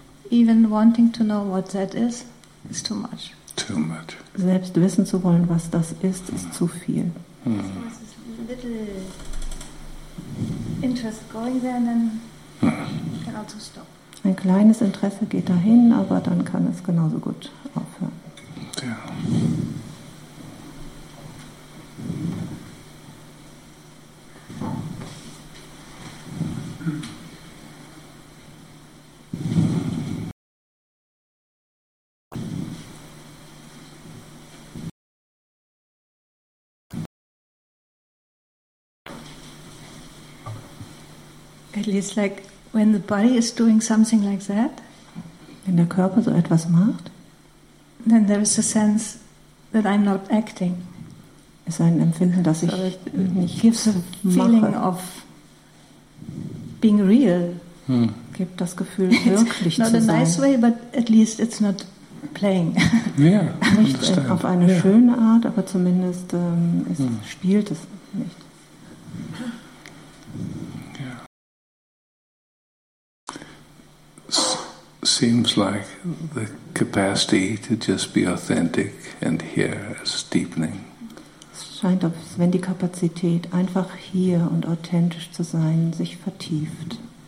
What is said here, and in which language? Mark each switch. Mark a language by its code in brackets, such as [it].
[en] Even wanting to know what that is too much. Too much. [de] Selbst wissen zu wollen, was das ist, ist zu viel. [en] Little interest going there and then you can also stop. [de] Ein kleines Interesse geht dahin, aber dann kann es genauso gut aufhören. Ja. Okay. [en] At least like when the body is doing something like that, [de] wenn der Körper so etwas macht, [en] then there is a sense that I'm not acting. [de] Es ist ein Empfinden, dass ich nicht mache. [en] Gives a feeling of being real. [de] Gibt das Gefühl, wirklich zu sein. Not a nice way, but at least it's not playing. [en] Yeah, [de] nicht auf eine schöne Art, aber zumindest es spielt es nicht. [en] Seems like the capacity to just be authentic and here is deepening. [de] Es scheint, als wenn die Kapazität, einfach hier und authentisch zu sein, sich vertieft.